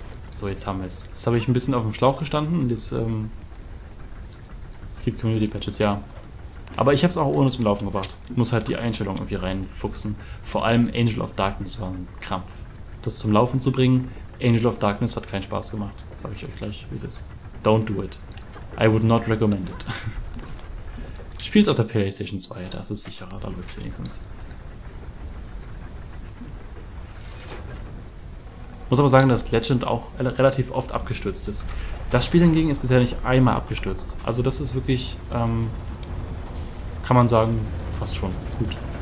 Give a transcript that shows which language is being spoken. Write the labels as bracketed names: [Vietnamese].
[German] So, jetzt haben wir es. Jetzt habe ich ein bisschen auf dem Schlauch gestanden und jetzt, es gibt Community Patches, ja. Aber ich habe es auch ohne zum Laufen gebracht. Muss halt die Einstellung irgendwie reinfuchsen. Vor allem Angel of Darkness war ein Krampf. Das zum Laufen zu bringen, Angel of Darkness hat keinen Spaß gemacht. Sage ich euch gleich, wie es ist. [English] Don't do it. I would not recommend it. [German] Spiel's auf der PlayStation 2, das ist sicherer, da läuft's wenigstens. Muss aber sagen, dass Legend auch relativ oft abgestürzt ist. Das Spiel hingegen ist bisher nicht einmal abgestürzt. Also das ist wirklich, kann man sagen, fast schon gut.